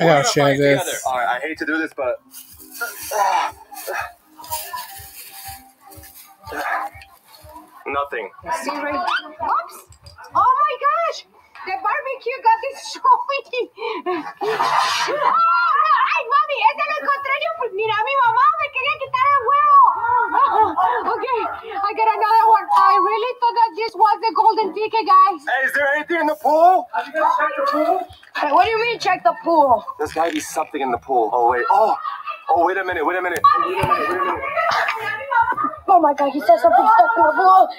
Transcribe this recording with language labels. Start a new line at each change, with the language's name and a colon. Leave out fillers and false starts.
English: I gotta share this. Together. All right, I hate to do this, but. Nothing. See right here. Oops! Oh my gosh! The barbecue got destroyed! Oh,
Spanish: ay, mami! Ese lo encontré yo! Mira, mi mamá me quería quitar el huevo!
English: Okay, I got another one. I really thought that this was the golden ticket, guys. Hey, is there anything in the pool? Have you guys checked the pool? Hey, what do you mean, check the pool? There's gotta be something in the pool. Oh, wait. Oh! Oh, wait a minute, wait a minute. Oh my god, he said something stuck in the pool.